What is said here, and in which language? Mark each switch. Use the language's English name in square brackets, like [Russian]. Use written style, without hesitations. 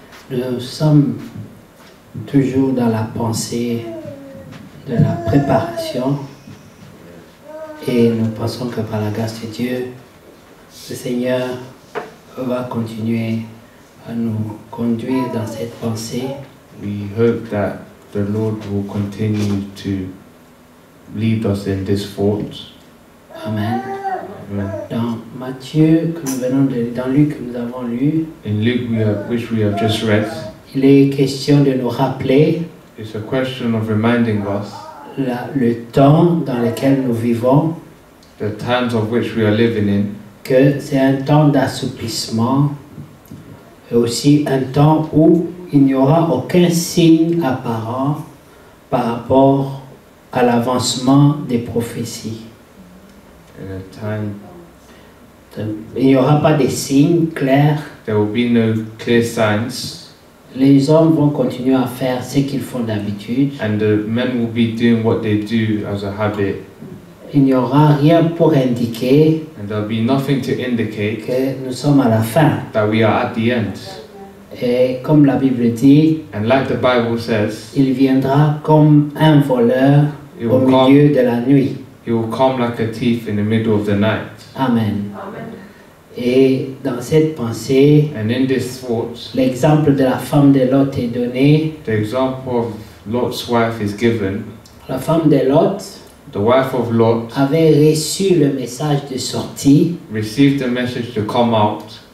[French] Nous sommes toujours dans la pensée de la préparation, et nous pensons que par la grâce de Dieu, le Seigneur va continuer à nous conduire dans cette pensée. [English] We hope that the Lord will continue to lead us in this thought. Amen. [French] Dans Matthieu, que nous venons de lire, dans Luc que nous avons lu, [English] in Luke which we have just read, [French] il est question de nous rappeler, [English] it's a question of reminding us, [French] le temps dans lequel nous vivons, [English] the times of which we are living in, [French] que c'est un temps d'assoupissement et aussi un temps où il n'y aura aucun signe apparent par rapport à l'avancement des prophéties. [English] In a time, [French] il n'y aura pas de signes clairs. [English] There will be no clear signs. [French] Les hommes vont continuer à faire ce qu'ils font d'habitude. [English] And the men will be doing what they do as a habit. [French] Il n'y aura rien pour indiquer. [English] And there will be nothing to indicate [French] que nous sommes à la fin. [English] That we are at the end. [French] Et comme la Bible dit, [English] and like the Bible says, [French] il viendra comme un voleur au milieu de la nuit. [English] He will come like a thief in the middle of the night. Amen. Amen. [French] Et dans cette pensée, [English] and in this thought, [French] l'exemple de la femme de Lot est donné. [English] The example of Lot's wife is given. [French] La femme de Lot, [English] the wife of Lot, [French] avait reçu le message de sortie, [English] received the message to come out.